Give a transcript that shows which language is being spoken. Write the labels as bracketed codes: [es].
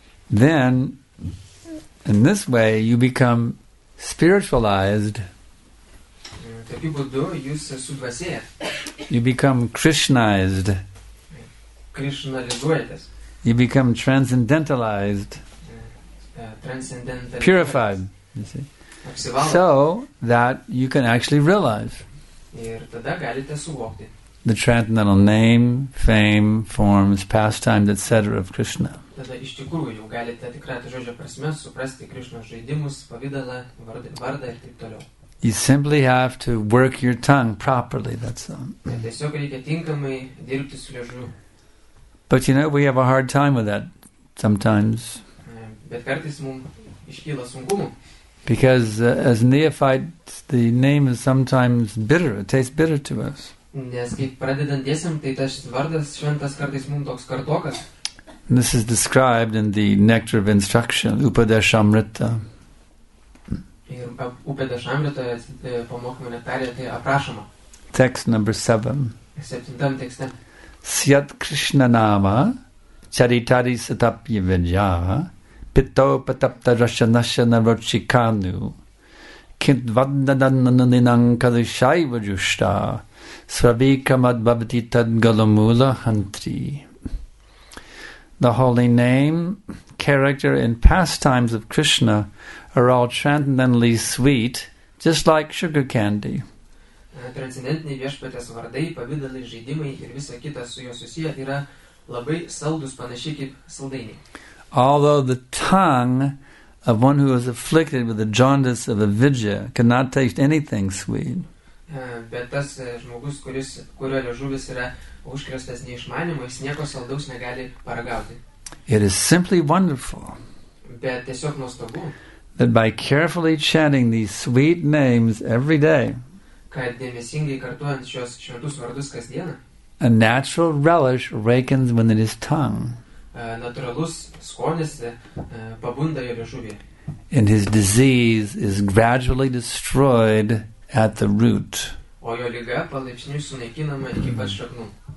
[en] Then, in this way, you become spiritualized. [lt] Tokiu būdu jūs sudvasėjat. [en] You become Krishnaized. [lt] Krishnalizuojatės. [en] You become transcendentalized. Transcendentalized. Purified. You see. [lt] Apsivalo. [en] So that you can actually realize. [lt] Ir tada galite suvokti. [en] The transcendental name, fame, forms, pastimes, etc. of Krishna. [lt] Tada iš tikrųjų jau galite tikrai to žodžio prasme suprasti Krishna žaidimus, pavidalą, vardą ir taip toliau. [en] You simply have to work your tongue properly, that's all. [lt] Tiesiog reikia tinkamai dirbti su liežuviu. [en] But you know, we have a hard time with that sometimes. [lt] Bet kartais mums iškyla sunkumų. [en] Because as neophytes, the name is sometimes bitter, it tastes bitter to us. [lt] Nes kaip pradedantiesiam, tai tas vardas šventas kartais mums toks kartokas. [en] This is described in the Nectar of Instruction, Upadeshamrita. [lt] Ir Upadeshamritoje pamokymo nektarėje tai aprašoma. [en] Text number 7. [lt] Septintam tekste. [sa] Syat Krishna nama charitari satapya vidya pito patapta rasanasya narochikanu kint vandananinang kadushai vajushta svabikamad bhavati tad galamula hantri. [en] The holy name, character, and pastimes of Krishna are all transcendentally sweet, just like sugar candy. [lt] Transcendentiniai viešpatės vardai, pavidalai, žaidimai ir visa kita su juo susiję yra labai saldus, panašiai kaip saldainiai. [en] Although the tongue of one who is afflicted with the jaundice of avidya cannot taste anything sweet. [lt] Bet tas žmogus, kurio liežuvis yra užkrėstas neišmanimu, jis nieko saldaus negali paragauti. [en] It is simply wonderful. [lt] Bet tiesiog nuostabu. [en] That by carefully chanting these sweet names every day, [lt] kad dėmesingai kartuojant šios šventus vardus kasdieną, [en] a natural relish awakens within his tongue. [lt] Natūralus skonis pabunda jo liežuvyje. [en] And his disease is gradually destroyed at the root. [lt] O jo liga palaipsniui sunaikinama iki pat šaknų.